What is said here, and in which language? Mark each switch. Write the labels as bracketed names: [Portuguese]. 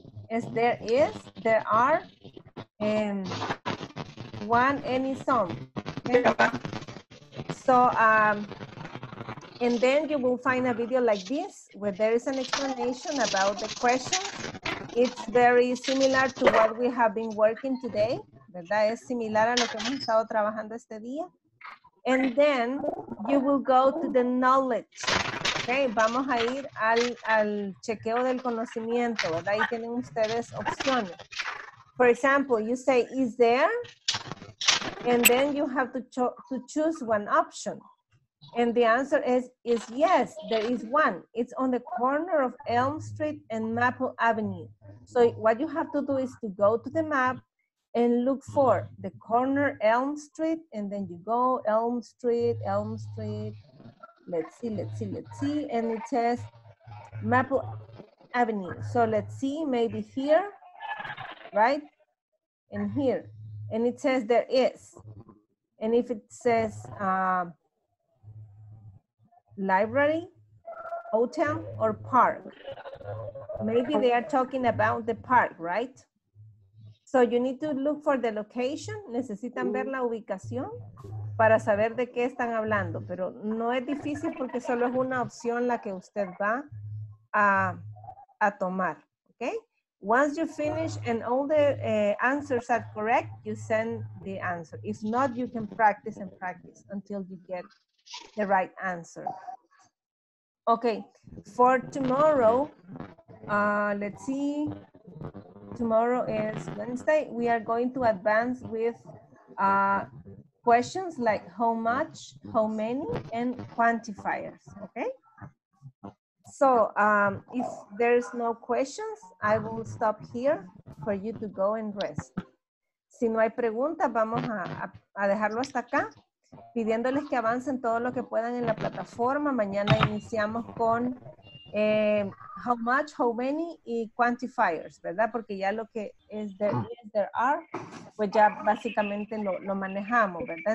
[English] Yes, there is, there are, one, any song. Okay? So, and then you will find a video like this, where there is an explanation about the question. It's very similar to what we have been working today, ¿verdad? [Spanish] Es similar a lo que hemos estado trabajando este día. [English] And then you will go to the knowledge. [Spanish] Okay, vamos a ir al chequeo del conocimiento, ¿verdad? Ahí tienen ustedes opciones. [English] For example, you say, is there? And then you have to choose one option. And the answer is yes, there is one. It's on the corner of Elm Street and Maple Avenue. So what you have to do is to go to the map and look for the corner Elm Street, and then you go Elm Street, Elm Street. Let's see, let's see, let's see. And it says Maple Avenue. So let's see, maybe here, right? And here. And it says there is. And if it says library, hotel, or park, maybe they are talking about the park, right? So you need to look for the location. [Spanish] Necesitan ver la ubicación para saber de qué están hablando. Pero no es difícil porque solo es una opción la que usted va a tomar. [English] Okay? Once you finish and all the answers are correct, you send the answer. If not, you can practice and practice until you get the right answer. Okay, for tomorrow, let's see. Tomorrow is Wednesday. We are going to advance with questions like how much, how many, and quantifiers, okay? So if there's no questions, I will stop here for you to go and rest. [Spanish] Si no hay preguntas, vamos a dejarlo hasta acá, pidiéndoles que avancen todo lo que puedan en la plataforma. Mañana iniciamos con how much, how many, y quantifiers, ¿verdad? Porque ya lo que es there is, there are, pues ya básicamente lo manejamos, ¿verdad?